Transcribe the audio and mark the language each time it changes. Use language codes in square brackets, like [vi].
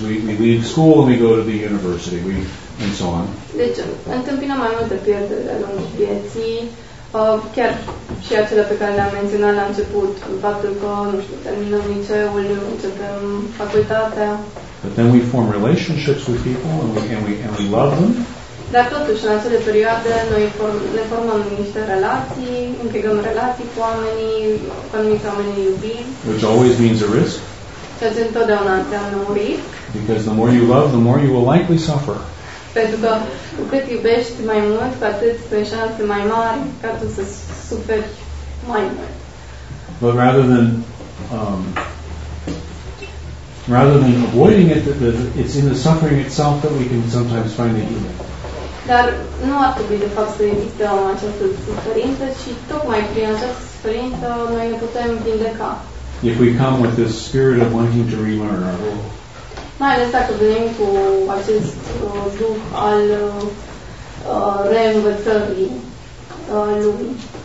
[en] We leave school and we go to the university. We and so on. [ro] Deci întâmpinăm mai multe pierderi de-a lungul vieții. Chiar și acele pe care le-am menționat la început, faptul că, nu știu, terminăm liceul, începem facultatea. [en] But then we form relationships with people and we love them. [ro] Dar totuși, în acele perioade, noi ne formăm niște relații, închegăm relații cu oamenii, cu anumiți oamenii iubim. [en] Which always means a risk. [ro] Ceea ce întotdeauna înseamnă un risc. [en] Because the more you love, the more you will likely suffer. [ro] Pentru că cu cât iubești mai mult, cu atât sunt șanse mai mari ca tu să suferi mai mult. [en] But rather than avoiding it, it's in the suffering itself that we can sometimes find the healing. [ro] Dar nu ar trebui de fapt să existe această suferință, ci tocmai prin această suferință noi ne putem vindeca. [en] If we come with this spirit of wanting to relearn our role. [ro] Mai ales dacă venim cu acest duh al reînvățării lumii.